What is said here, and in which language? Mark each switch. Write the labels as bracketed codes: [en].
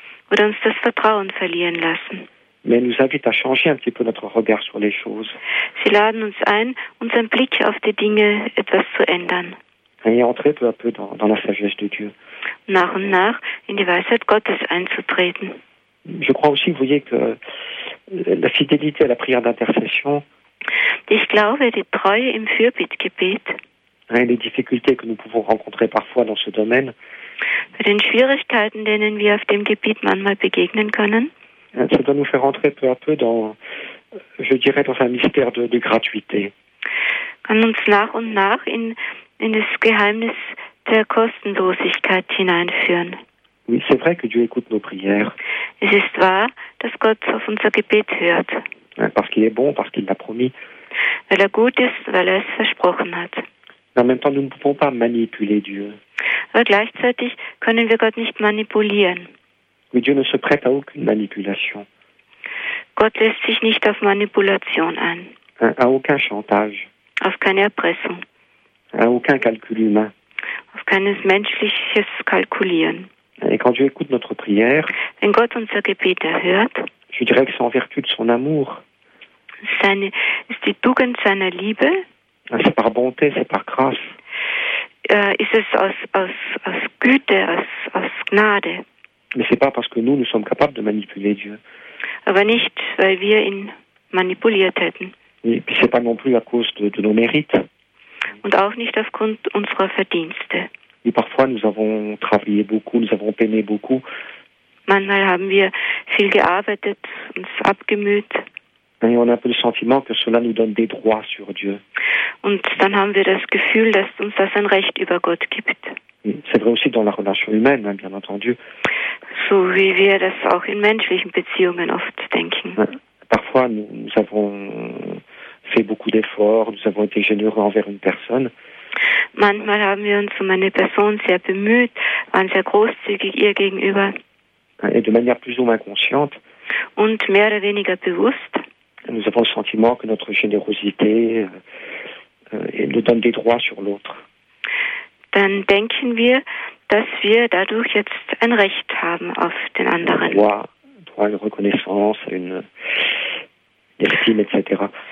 [de] Oder uns das Vertrauen verlieren lassen. [fr] Mais nous invitent à changer un petit peu notre regard sur les choses. [de] Sie laden uns ein, unseren Blick auf die Dinge etwas zu ändern. [fr] Et entrer peu à peu dans la sagesse de Dieu. [de] Nach und nach in die Weisheit Gottes einzutreten. [fr] Je crois aussi, vous voyez, que la fidélité à la prière d'intercession. [de] Ich glaube, die Treue im Fürbittgebet. [fr] Les difficultés que nous pouvons rencontrer parfois dans ce domaine. [de] Bei den Schwierigkeiten, denen wir auf dem Gebiet manchmal begegnen können. [fr] Ça doit nous faire entrer peu à peu dans, je dirais, dans un mystère de gratuité. [de] Kann uns nach und nach in das Geheimnis der Kostenlosigkeit hineinführen. [fr] Oui, c'est vrai que Dieu écoute nos prières. [de] Es ist wahr, dass Gott auf unser Gebet hört. [fr] Parce qu'il est bon, parce qu'il l'a promis. [de] Weil gut ist, weil es versprochen hat. [fr] Mais en même temps, nous ne pouvons pas manipuler Dieu. [de] Aber gleichzeitig können wir Gott nicht manipulieren. [fr] Oui, Dieu ne se prête à aucune manipulation. [de] Gott lässt sich nicht auf Manipulation ein. [fr] À aucun chantage. [de] Auf keine Erpressung. [fr] À aucun calcul humain. [de] Auf kein menschliches Kalkulieren. [fr] Et quand Dieu écoute notre prière, [de] wenn Gott unser Gebet erhört, [fr] je dirais que c'est en vertu de son amour. [de] Ist die Tugend seiner Liebe. [fr] C'est par bonté, c'est par grâce. [de] Ist es aus Güte, aus Gnade. [fr] Mais c'est pas parce que nous sommes capables de manipuler Dieu. [de] Aber nicht, weil wir ihn manipuliert hätten. [fr] Et puis c'est pas non plus à cause de nos mérites. [de] Und auch nicht aufgrund unserer Verdienste. [fr] Et parfois nous avons travaillé beaucoup, nous avons peiné beaucoup. [de] Manchmal haben wir viel gearbeitet, uns abgemüht. [fr] Et on a un peu le sentiment que cela nous donne des droits sur Dieu. [de] Und dann haben wir das Gefühl, dass uns das ein Recht über Gott gibt. [fr] C'est vrai aussi dans la relation humaine, hein, bien entendu. [de] So wie wir das auch in menschlichen Beziehungen oft denken. [fr] Parfois, nous avons fait beaucoup d'efforts, nous avons été généreux envers une personne. [de] Manchmal haben wir uns um eine Person sehr bemüht, waren sehr großzügig ihr gegenüber. [fr] Et de manière plus ou moins consciente. [de] Und mehr oder weniger bewusst. [fr] Nous avons le sentiment que notre générosité nous donne des droits sur l'autre. [de] Dann denken wir, dass wir dadurch jetzt ein Recht haben auf den anderen. [fr] Droit, une reconnaissance, une estime, etc.